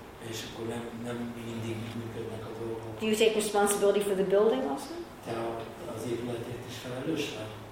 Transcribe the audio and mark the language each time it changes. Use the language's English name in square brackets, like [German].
[Hungarian] És akkor nem mindig működnek a dolgok. [English] Do you take responsibility for the building also? [Hungarian] Te az épületért is felelős vagy?